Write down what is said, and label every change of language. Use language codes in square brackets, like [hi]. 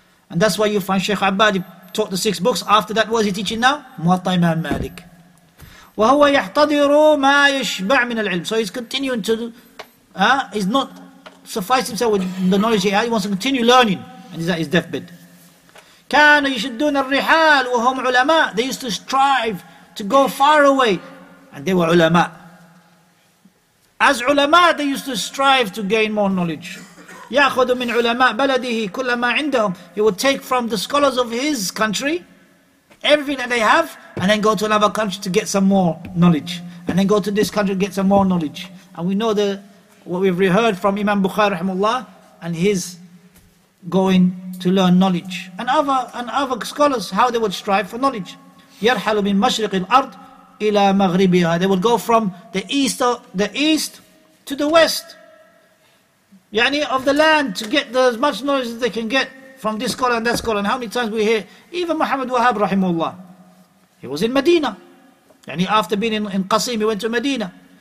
[en] And that's why you find Shaykh Abbad taught the six books. After that, what is he teaching now? Muwatta Imam Malik. [ar] وَهُوَ يَحْتَضِرُ مَا يَشْبَعْ مِنَ الْعِلْمِ. [en] So he's continuing to He's not suffice himself with the knowledge he has. He wants to continue learning, and he's at his deathbed. [ar] كانوا يشدون الرحال وهم علماء. [en] They used to strive to go far away, and they were ulama. As ulama, they used to strive to gain more knowledge. [ar] يأخذ من علماء بلده كل ما عندهم. [en] He would take from the scholars of his country everything that they have, and then go to another country to get some more knowledge, and then go to this country to get some more knowledge. And we know the what we've heard from Imam Bukhari rahimahullah and his going to learn knowledge, and other scholars, how they would strive for knowledge. [ar] يرحل من مشرق الأرض إلى مغربها. [en] They would go from the east to the west, يعني of the land, to get as much knowledge as they can get from this scholar and that scholar. And how many times we hear, even Muhammad Wahab rahimahullah, he was in Medina, يعني after being in Qasim, he went to Medina.